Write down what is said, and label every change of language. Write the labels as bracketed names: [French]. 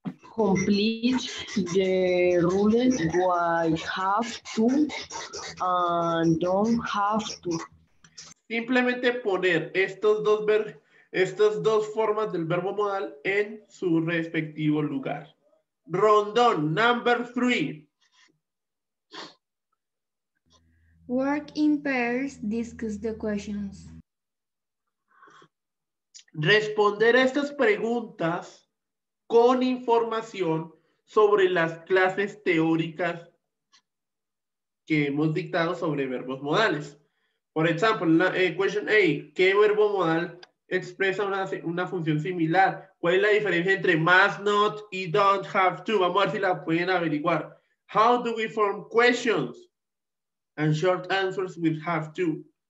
[English] Complete the rules why have to and don't have to. [Spanish] Simplemente poner estas dos formas del verbo modal en su respectivo lugar. [English] Rondón, number three. Work in pairs, discuss the questions. [Spanish] Responder a estas preguntas con información sobre las clases teóricas que hemos dictado sobre verbos modales. Por ejemplo, question A, ¿qué verbo modal expresa una función similar? ¿Cuál es la diferencia entre must not y don't have to? Vamos a ver si la pueden averiguar. [English] How do we form questions and short answers with have to?